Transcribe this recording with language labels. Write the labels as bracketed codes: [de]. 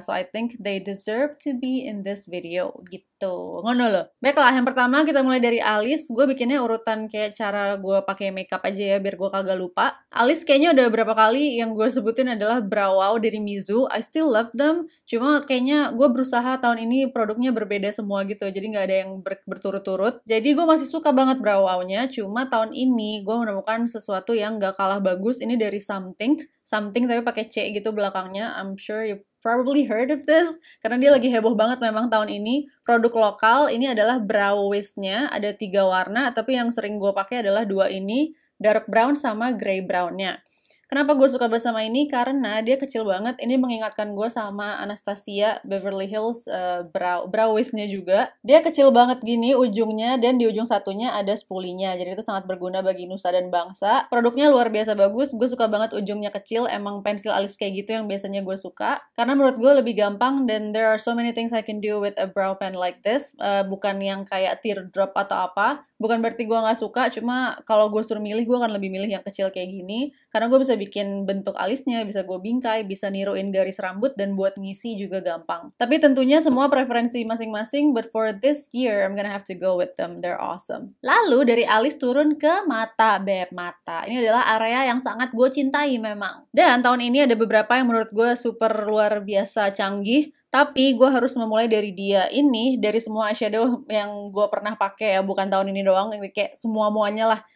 [en] So I think they deserve to be in this video [id] gitu. [jv] Ngono loh. [id] Baiklah, yang pertama kita mulai dari alis. Gue bikinnya urutan kayak cara gue pakai makeup aja ya biar gue kagak lupa. Alis kayaknya udah berapa kali yang gue sebutin adalah Brow Wow dari Mizu. [en] I still love them. [id] Cuma kayaknya gue berusaha tahun ini produknya berbeda semua gitu. Jadi gak ada yang berturut-turut. Jadi gue masih suka banget Brow Wow-nya. Cuma tahun ini gue menemukan sesuatu yang gak kalah bagus. Ini dari Something. Something tapi pakai C gitu belakangnya. [en] I'm sure you probably heard of this. [id] Karena dia lagi heboh banget memang tahun ini. Produk lokal. Ini adalah Brow Wiz-nya. Ada 3 warna. Tapi yang sering gue pakai adalah 2 ini. Dark Brown sama Grey Brown-nya. Kenapa gue suka banget sama ini? Karena dia kecil banget. Ini mengingatkan gue sama Anastasia Beverly Hills Brow Wiz-nya juga. Dia kecil banget gini ujungnya, dan di ujung satunya ada spoolie-nya. Jadi itu sangat berguna bagi nusa dan bangsa. Produknya luar biasa bagus. Gue suka banget ujungnya kecil. Emang pensil alis kayak gitu yang biasanya gue suka. Karena menurut gue lebih gampang, dan [en] there are so many things I can do with a brow pen like this. [id] Bukan yang kayak teardrop atau apa. Bukan berarti gue gak suka, cuma kalau gue suruh milih, gue akan lebih milih yang kecil kayak gini. Karena gue bisa bikin bentuk alisnya, bisa gue bingkai, bisa niruin garis rambut, dan buat ngisi juga gampang. Tapi tentunya semua preferensi masing-masing, [en] but for this year, I'm gonna have to go with them. They're awesome. [id] Lalu, dari alis turun ke mata, beb, mata. Ini adalah area yang sangat gue cintai memang. Dan tahun ini ada beberapa yang menurut gue super luar biasa canggih. Tapi gue harus memulai dari dia ini, dari semua eyeshadow yang gue pernah pakai ya, bukan tahun ini doang, ini kayak semua-muanya lah.